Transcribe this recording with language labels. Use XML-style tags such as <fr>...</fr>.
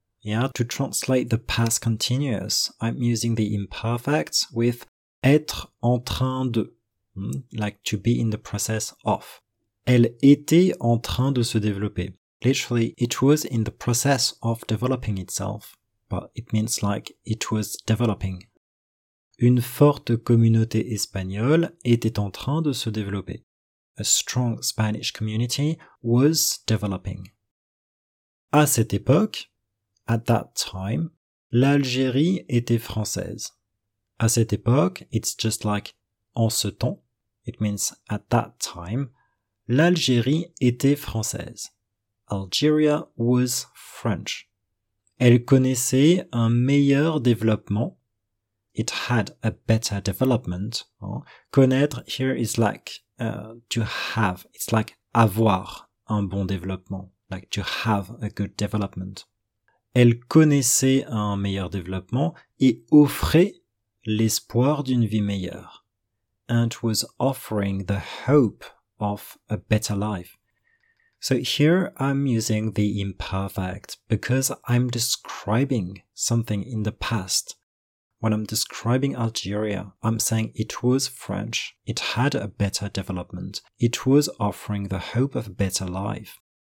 <en>Yeah, to translate the past continuous, I'm using the imperfect with</en> <fr>être en train de.</fr> <en>Like to be in the process of.</en> <fr>Elle était en train de se développer.</fr> <en>Literally, it was in the process of developing itself. But it means like it was developing.</en> <fr>Une forte communauté espagnole était en train de se développer.</fr> <en>A strong Spanish community was developing.</en> <fr>À cette époque,</fr> <en>at that time,</en> <fr>l'Algérie était française. À cette époque,</fr> <en>it's just like</en> <fr>en ce temps.</fr> <en>It means at that time,</en> <fr>l'Algérie était française.</fr> <en>Algeria was French.</en> <fr>Elle connaissait un meilleur développement.</fr> <en>It had a better development. Connaître here is like to have. It's like</en> <fr>avoir un bon développement.</fr> <en>Like to have a good development.</en> <fr>Elle connaissait un meilleur développement et offrait l'espoir d'une vie meilleure.</fr> <en>And was offering the hope of a better life. So here I'm using the imperfect because I'm describing something in the past. When I'm describing Algeria, I'm saying it was French, it had a better development, it was offering the hope of a better life.</en>